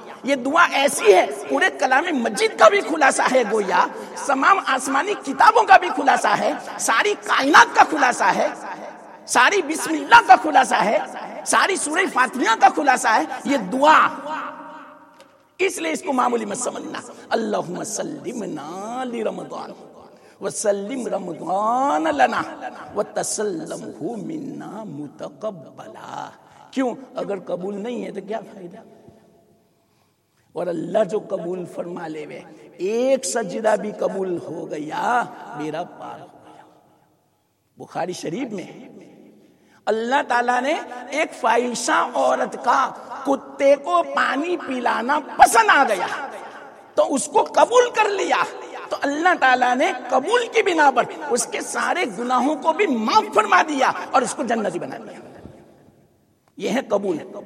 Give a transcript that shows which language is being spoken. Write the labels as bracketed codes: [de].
[ur] یہ دعا ایسی ہے پورے کلام مجید کا بھی خلاصہ ہے گویا, تمام آسمانی کتابوں کا بھی خلاصہ ہے, ساری کائنات کا خلاصہ ہے, ساری بسم اللہ کا خلاصہ ہے, ساری سورہ فاتحہ کا خلاصہ ہے یہ دعا. اس لیے اس کو معمولی مت سمجھنا. [ar] اللہم سلمنا لرمضان وسلم رمضان لنا وتسلمه منا متقبلا. [ur] کیوں, اگر قبول نہیں ہے تو کیا فائدہ. اور اللہ جو قبول فرما لے وے, ایک سجدہ بھی قبول ہو گیا میرا پار ہو گیا. بخاری شریف میں اللہ تعالی نے ایک فاحشہ عورت کا کتے کو پانی پلانا پسند آ گیا تو اس کو قبول کر لیا, تو اللہ تعالیٰ نے قبول کی بنا پر اس کے سارے گناہوں کو بھی معاف فرما دیا اور اس کو جنتی بنا دیا. یہ ہے قبول.